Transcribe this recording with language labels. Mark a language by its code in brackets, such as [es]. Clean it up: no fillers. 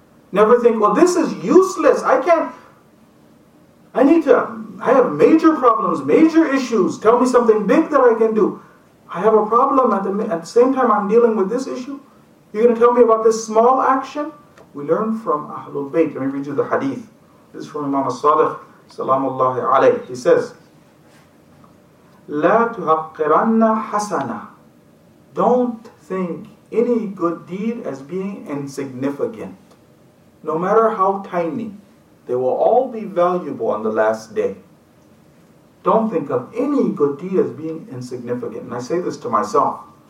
[en] Never think, well, this is useless. I have major problems, major issues. Tell me something big that I can do. I have a problem at the same time I'm dealing with this issue. You're going to tell me about this small action? We learn from Ahlul Bayt. Let me read you the hadith. This is from Imam al-Sadiq, salamullahi alayhi. [ar] He says, لَا تُحَقِّرَنَّ حَسَنًا. [en] Don't think any good deed as being insignificant. No matter how tiny, they will all be valuable on the last day. Don't think of any good deed as being insignificant. And I say this to myself.